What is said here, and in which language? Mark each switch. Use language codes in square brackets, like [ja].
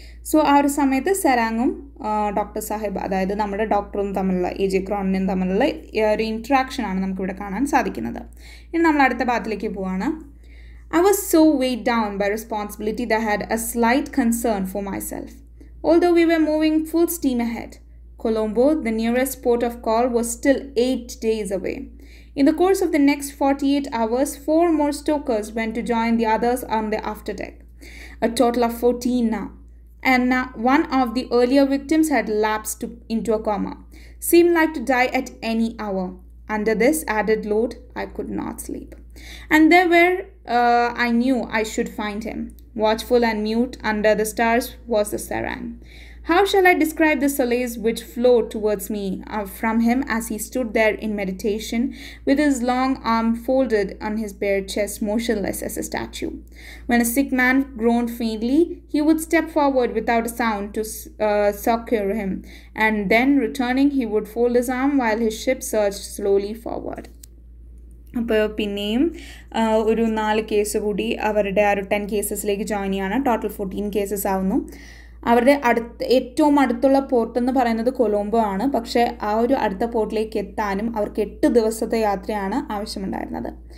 [ml] So ആ ഒരു സമയത്ത് സരാങ്ങും ഡോക്ടർ സാഹിബ്, അതായത് നമ്മുടെ ഡോക്ടറും തമ്മിലുള്ള എ ജെ ക്രോണിനും തമ്മിലുള്ള ഒരു ഇൻട്രാക്ഷനാണ് നമുക്കിവിടെ കാണാൻ സാധിക്കുന്നത്. ഇനി നമ്മൾ അടുത്ത ഭാഗത്തിലേക്ക് പോവാണ്. [en] I was so weight down by responsibility that had a slight concern for myself. Although we were moving full steam ahead, Colombo, the nearest port of call, was still 8 days away. In the course of the next 48 hours, four more stokers went to join the others on the afterdeck. A total of 14 now. And one of the earlier victims had lapsed into a coma. Seemed like to die at any hour. Under this added load, I could not sleep. And there where I knew I should find him. Watchful and mute under the stars was the Sarang. How shall I describe the solace which flowed towards me from him as he stood there in meditation with his long arm folded on his bare chest, motionless as a statue? When a sick man groaned faintly, he would step forward without a sound to succor him, and then returning, he would fold his arm while his ship surged slowly forward. [ml] അപ്പോൾ പിന്നെയും ഒരു നാല് case കൂടി അവരുടെ ആ ഒരു 10 കേസസിലേക്ക് join ചെയ്യാണ്. Total 14 cases ആവുന്നു. അവരുടെ അടുത്ത് ഏറ്റവും അടുത്തുള്ള പോർട്ട് എന്ന് പറയുന്നത് കൊളംബോ ആണ്. പക്ഷേ ആ ഒരു അടുത്ത പോർട്ടിലേക്ക് എത്താനും അവർക്ക് 8 ദിവസത്തെ യാത്രയാണ് ആവശ്യമുണ്ടായിരുന്നത്.